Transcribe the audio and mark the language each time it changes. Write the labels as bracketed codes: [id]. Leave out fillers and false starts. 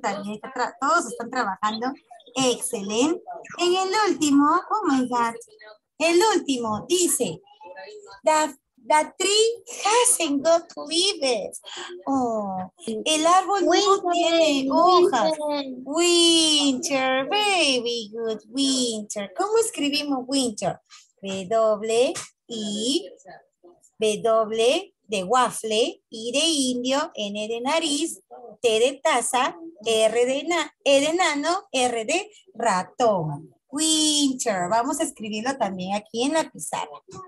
[es] También todos están trabajando. Excelente. En el último, [en] oh, my God. [es] El último dice, [en] the tree hasn't got leaves. [es] Oh, el árbol winter, no tiene hojas. [en] Winter, very good, winter. [es] ¿Cómo escribimos winter? W, I, W, de waffle, I de indio, N de nariz, T de taza, R de, E de nano, R de ratón. Winter, vamos a escribirlo también aquí en la pizarra.